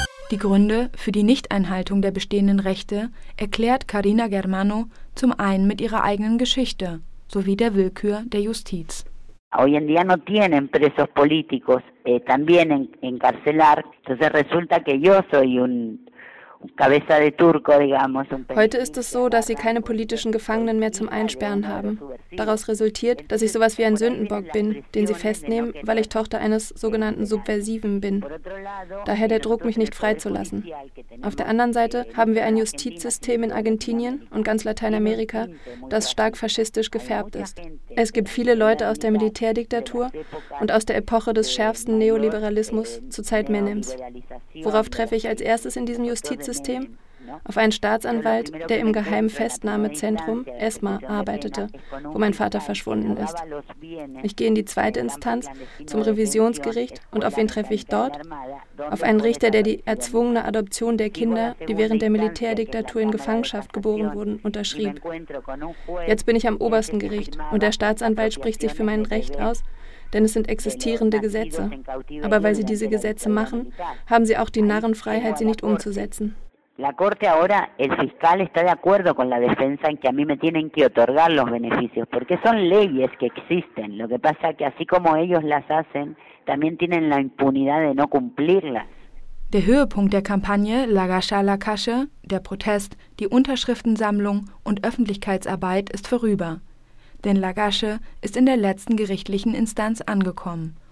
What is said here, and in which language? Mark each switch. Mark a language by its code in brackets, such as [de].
[de] Die Gründe für die Nichteinhaltung der bestehenden Rechte erklärt Karina Germano zum einen mit ihrer eigenen Geschichte sowie der Willkür der Justiz. [es] Hoy en día no tienen presos políticos también encarcelar. Entonces resulta que yo soy un cabeza de turco, digamos. [de] Heute ist es so, dass sie keine politischen Gefangenen mehr zum Einsperren haben. Daraus resultiert, dass ich sowas wie ein Sündenbock bin, den sie festnehmen, weil ich Tochter eines sogenannten Subversiven bin. Daher der Druck, mich nicht freizulassen. Auf der anderen Seite haben wir ein Justizsystem in Argentinien und ganz Lateinamerika, das stark faschistisch gefärbt ist. Es gibt viele Leute aus der Militärdiktatur und aus der Epoche des schärfsten Neoliberalismus zur Zeit Menems. Worauf treffe ich als erstes in diesem Justizsystem? Auf einen Staatsanwalt, der im geheimen Festnahmezentrum ESMA arbeitete, wo mein Vater verschwunden ist. Ich gehe in die zweite Instanz, zum Revisionsgericht, und auf wen treffe ich dort? Auf einen Richter, der die erzwungene Adoption der Kinder, die während der Militärdiktatur in Gefangenschaft geboren wurden, unterschrieb. Jetzt bin ich am obersten Gericht und der Staatsanwalt spricht sich für mein Recht aus, denn es sind existierende Gesetze. Aber weil sie diese Gesetze machen, haben sie auch die Narrenfreiheit, sie nicht umzusetzen. [es] La Corte ahora, el fiscal está de acuerdo con la defensa en que a mí me tienen que otorgar los beneficios, porque son leyes que existen. Lo que pasa es que así como ellos las hacen, también tienen la impunidad de no cumplirlas. [de] Der Höhepunkt der Kampagne Lagasche a Lagasche, der Protest, die Unterschriftensammlung und Öffentlichkeitsarbeit ist vorüber. Denn Lagasche ist in der letzten gerichtlichen Instanz angekommen.